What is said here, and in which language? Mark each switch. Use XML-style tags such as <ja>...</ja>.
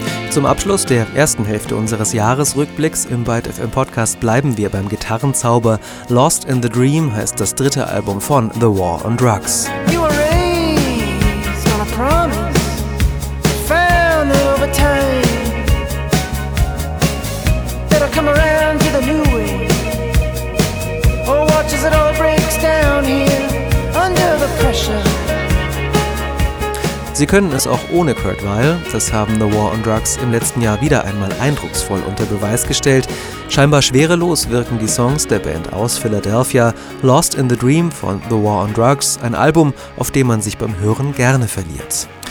<de>Zum Abschluss der ersten Hälfte unseres Jahresrückblicks im ByteFM Podcast bleiben wir beim Gitarrenzauber. Lost in the Dream heißt das dritte Album von The War on Drugs.</de> <en>You were raised on a promise, found over time. That'll come around to the new way. Oh, watch as it all breaks down here under the pressure.</en> <de>Sie können es auch ohne Kurt Weill, das haben The War on Drugs im letzten Jahr wieder einmal eindrucksvoll unter Beweis gestellt. Scheinbar schwerelos wirken die Songs der Band aus Philadelphia. Lost in the Dream von The War on Drugs, ein Album, auf dem man sich beim Hören gerne verliert.</de>